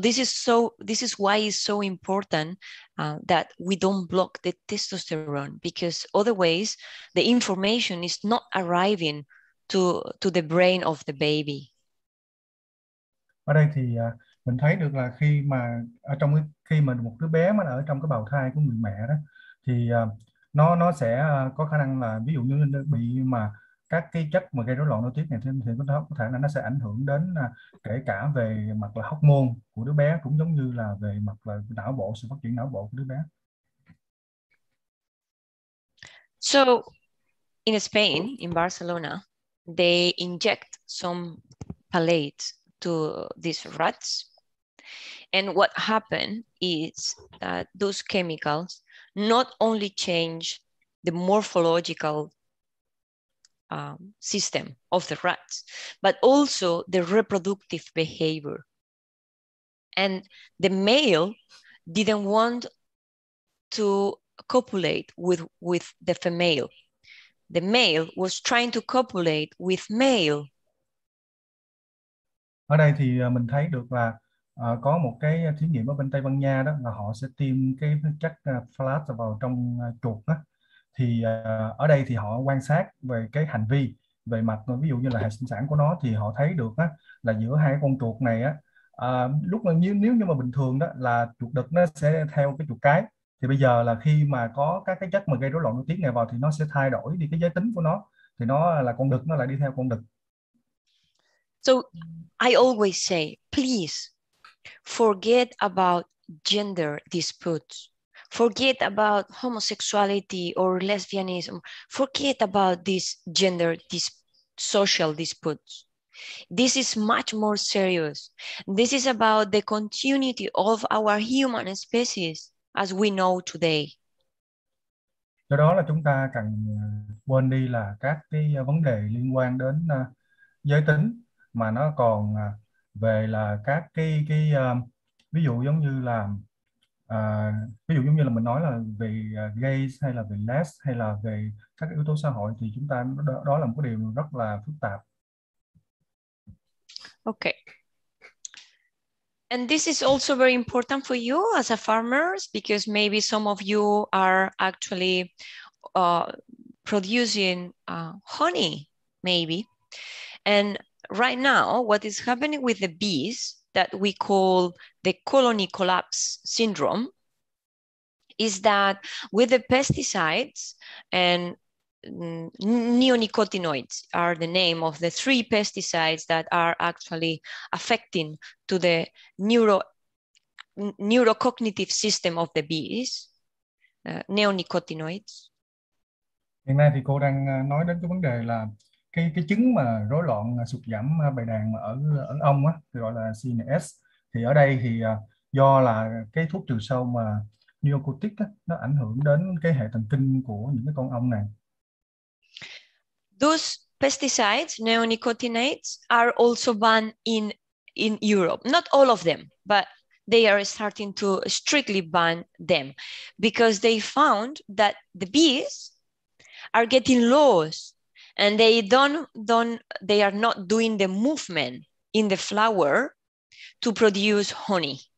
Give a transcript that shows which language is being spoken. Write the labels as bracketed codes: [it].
[en] So this is why it's so important that we don't block the testosterone, because otherwise the information is not arriving to the brain of the baby. [vi] Ở đây thì mình thấy được là khi mà ở trong cái, khi mà một đứa bé mà ở trong cái bào thai của người mẹ đó, thì nó sẽ có khả năng là ví dụ như bị mà các cái chất mà gây rối loạn nội tiết này thì có thể là nó sẽ ảnh hưởng đến kể cả về mặt là hormone của đứa bé, cũng giống như là về mặt là não bộ, sự phát triển não bộ của đứa bé. [en] So in Spain, in Barcelona, they inject some palate to these rats, and what happened is that those chemicals not only change the morphological system of the rats, but also the reproductive behavior. And the male didn't want to copulate with the female. The male was trying to copulate with male. [vi] Ở đây thì mình thấy được là có một cái thí nghiệm ở bên Tây Ban Nha đó, là họ sẽ tiêm cái chất flat vào trong chuột đó. Thì ở đây thì họ quan sát về cái hành vi, về mặt ví dụ như là hệ sinh sản của nó, thì họ thấy được á, là giữa hai con chuột này á, lúc mà nếu như mà bình thường đó là chuột đực nó sẽ theo cái chuột cái, thì bây giờ là khi mà có các cái chất mà gây rối loạn nội tiết này vào thì nó sẽ thay đổi đi cái giới tính của nó, thì nó là con đực nó lại đi theo con đực. [en] So I always say, please forget about gender disputes. Forget about homosexuality or lesbianism. Forget about these gender social disputes. This is much more serious. This is about the continuity of our human species as we know today. [vi] Do đó là chúng ta cần quên đi là các cái vấn đề liên quan đến giới tính, mà nó còn về là các cái ví dụ giống như là ví dụ giống như là mình nói là về gay hay là về les hay là về các yếu tố xã hội, thì chúng ta đó là một điều rất là phức tạp. [en] Okay. And this is also very important for you as a farmers, because maybe some of you are actually producing honey maybe. And right now what is happening with the bees that we call the colony collapse syndrome is that with the pesticides and neonicotinoids are the name of the three pesticides that are actually affecting to the neurocognitive system of the bees, neonicotinoids. [vi] Hiện nay thì cô đang nói đến cái vấn đề là cái chứng mà rối loạn sụt giảm bầy đàn mà ở ong á thì gọi là CNS. Thì ở đây thì do là cái thuốc trừ sâu mà neocortic á, nó ảnh hưởng đến cái hệ thần kinh của những cái con ong này. [en] Those pesticides, neonicotinoids, are also banned in Europe. Not all of them, but they are starting to strictly ban them because they found that the bees are getting lost and they are not doing the movement in the flower to produce honey.